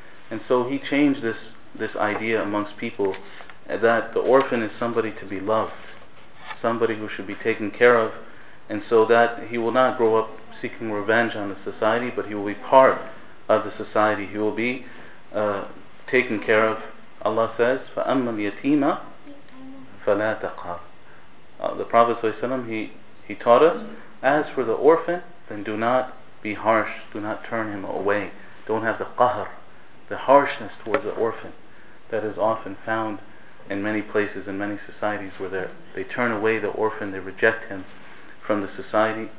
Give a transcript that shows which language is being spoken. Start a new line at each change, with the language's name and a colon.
English: And so he changed this idea amongst people that the orphan is somebody to be loved, somebody who should be taken care of, and so that he will not grow up seeking revenge on the society, but he will be part of the society. He will be taken care of. Allah says,
Arabic: فَأَمَّا الْيَتِيمَ فَلَا تَقْهَرْ.
English: The Prophet ﷺ, he taught us, as for the orphan, then do not be harsh, do not turn him away. Don't have the qahr, the harshness towards the orphan that is often found in many places, in many societies where they turn away the orphan, they reject him from the society.